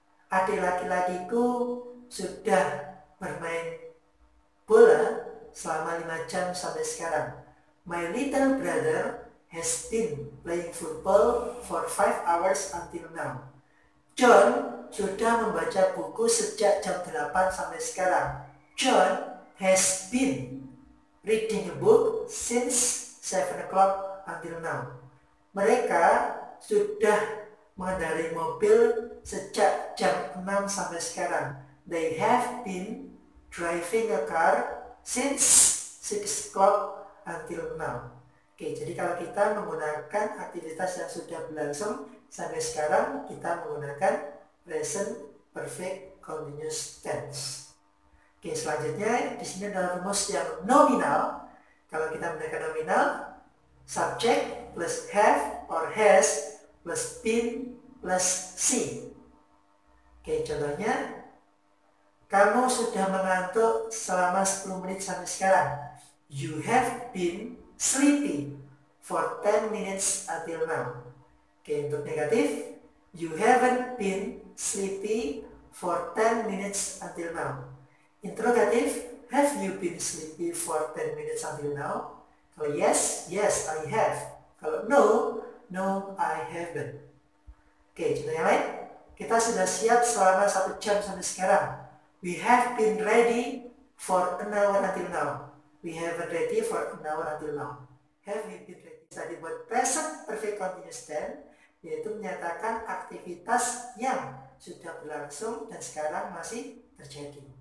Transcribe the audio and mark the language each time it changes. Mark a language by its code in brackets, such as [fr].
[id] Adik laki-lakiku sudah bermain bola selama 5 jam sampai sekarang. [en] My little brother has been playing football for 5 hours until now. [id] John sudah membaca buku sejak jam 8 sampai sekarang. [en] John has been reading a book since 7 o'clock until now. [id] Mereka sudah mengendarai mobil sejak jam 6 sampai sekarang. [en] They have been driving a car since 6 o'clock until now. [id] Oke, jadi kalau kita menggunakan aktivitas yang sudah berlangsung sampai sekarang, kita menggunakan present perfect continuous tense. Oke, selanjutnya di sini adalah rumus yang nominal. Kalau kita menggunakan nominal, [en] subject plus have or has plus been plus see. [id] Oke, contohnya, kamu sudah mengantuk selama 10 menit sampai sekarang. [en] You have been sleepy for 10 minutes until now. [id] Oke, untuk negatif, [en] you haven't been sleepy for 10 minutes until now. Interrogatif, have you been sleepy for 10 minutes until now? Kalau yes, yes, I have. Kalau no, no, I haven't. [id] Oke, contoh yang lain. Kita sudah siap selama 1 jam sampai sekarang. [en] We have been ready for an hour until now. We have been ready for an hour until now. Have we been ready? [id] Jadi buat present perfect continuous tense, yaitu menyatakan aktivitas yang sudah berlangsung dan sekarang masih terjadi.